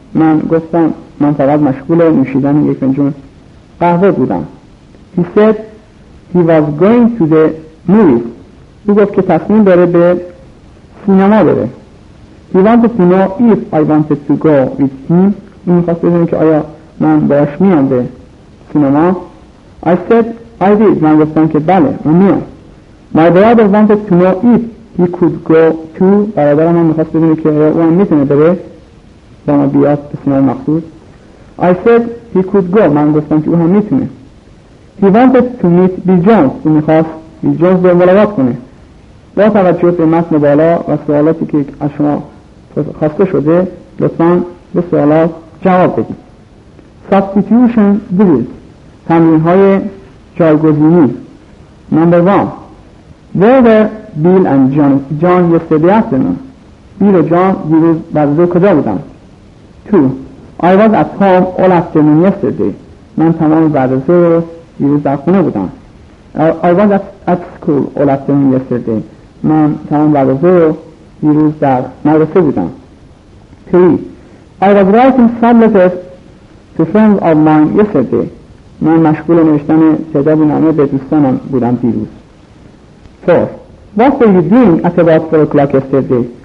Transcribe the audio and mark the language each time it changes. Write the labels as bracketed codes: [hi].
[fa] من گفتم من فقط مشغول نوشیدن یک فنجون قهوه بودم. [en] He said he was going to the movies. [fa] او گفت که تصمیم داره به سینما بره. [en] He wanted to know if I wanted to go with him. [fa] او میخواست بدونه که آیا من باش میام به سینما. [en] I said I did. [fa] من گفتم که بله من میام. [en] My brother wanted to know if he could go too. [fa] برادرم هم میخواست بدونه که آیا او هم میتونه بره با ما بیاد به سینما مخصوص. [en] I said he could go. [fa] من گفتم که او هم میتونه. [en] He wanted to meet Bill Jones. [fa] او میخواست Bill Jones رو ملاقات کنه. با توجه به متن بالا و سوالاتی که از شما خواسته شده، لطفاً به سوالات جواب بدید. [en] Substitution drills. [fa] تمرین های جایگزینی. [en] Number 1. Where were Bill and John yesterday afternoon? [fa] Bill و John دیروز بعد از ظهر کجا بودن؟ [en] 2. I was at home all afternoon yesterday. [fa] من تمام بعد از ظهر دیروز در خونه بودم. [en] I was at school all afternoon yesterday. [fa] من تمام بعد از ظهر دیروز در مدرسه بودم. [en] 3. I was writing some letters to friends of mine yesterday. [fa] من مشغول نوشتن تعدادی نامه به دوستانم بودم دیروز. 4. [en] What were you doing at about 4 o'clock yesterday?